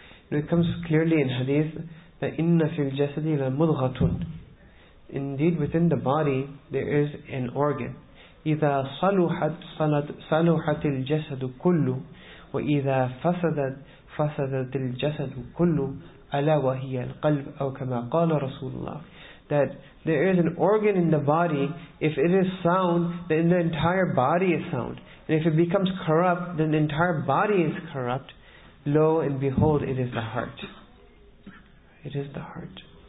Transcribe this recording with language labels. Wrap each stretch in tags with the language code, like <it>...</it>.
<en>It comes clearly in hadith that</en> <ar>inna fil jasadi la mudghatun.</ar> <en>Indeed, within the body there is an organ.</en> <ar>إذا صلحت الجسد كله وإذا فسدت فسدت الجسد كله ألا وهي القلب أو كما قال رسول الله.</ar> <en>That there is an organ in the body. If it is sound, then the entire body is sound. And if it becomes corrupt, then the entire body is corrupt. Lo and behold, it is the heart. It is the heart.</en>